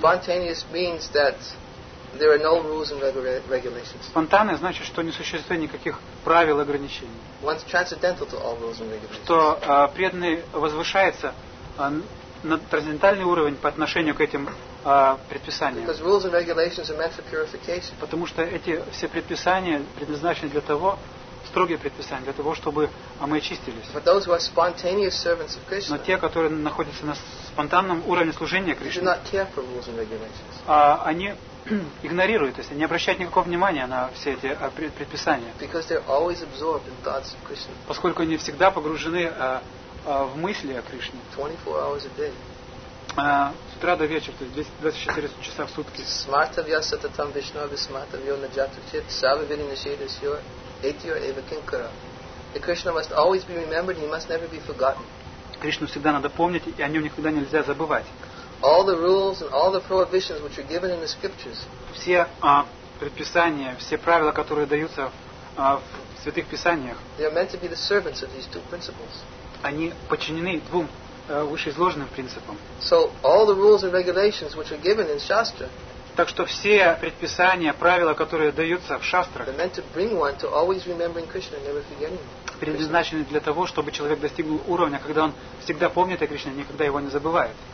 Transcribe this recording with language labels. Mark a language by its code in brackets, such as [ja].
[en] Spontaneous means that There are no rules and regulations. [ru] Спонтанное значит, что не существует никаких правил и ограничений. [en] One's transcendental to all rules and regulations. [ru] Что преданный возвышается на трансцендентальный уровень по отношению к этим предписаниям. [en] Because rules and regulations are meant for purification. [ru] Потому что эти все предписания предназначены для того, строгие предписания, для того, чтобы мы очистились. [en] But those who are spontaneous servants of Krishna, [ru] но те, которые находятся на спонтанном уровне служения Кришне, [en] do not care for rules and regulations. [ru] Они игнорируют, то есть не обращают никакого внимания на все эти предписания. [en] Because they're always absorbed in thoughts of Krishna. [ru] Поскольку они всегда погружены в мысли о Кришне. [en] 24 hours a day. [ru] С утра до вечера, то есть 24 часа в сутки. [sa] Смартавья сататам вишнави смартавья наджатучит савивини нишидасьо этьо эва кинкара. [en] The Krishna must always be remembered, he must never be forgotten. [ru] Кришну всегда надо помнить, и о нем никогда нельзя забывать. [en] All the rules and all the prohibitions which are given in the scriptures. [ru] Все предписания, все правила, которые даются в святых писаниях. [en] They are meant to be the servants of these two principles. [ru] Они подчинены двум вышеизложенным принципам. [en] So all the rules and regulations which are given in Shastra. [ru] Так что все предписания, правила, которые даются в шастрах. [en] They are meant to bring one to always remembering Krishna and never forgetting him. [ru] Предназначены для того, чтобы человек достигнул уровня, когда он всегда помнит о Кришне, никогда его не забывает.